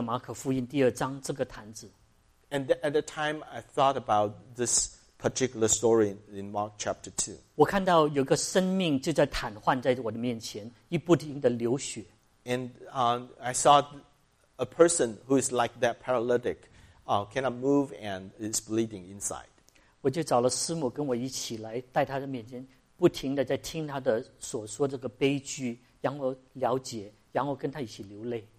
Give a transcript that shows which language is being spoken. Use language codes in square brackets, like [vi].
[zh] 当时候我就想起了马可福音第二章这个坛子。 [en] And at the time, I thought about this particular story in Mark chapter 2. [zh] 我看到有个生命就在瘫痪在我的面前，一不停的流血。 [en] And I saw a person who is like that paralytic, cannot move and is bleeding inside. [zh] 我就找了师母跟我一起来，在他的面前，不停的在听他的所说这个悲剧，然后了解，然后跟他一起流泪。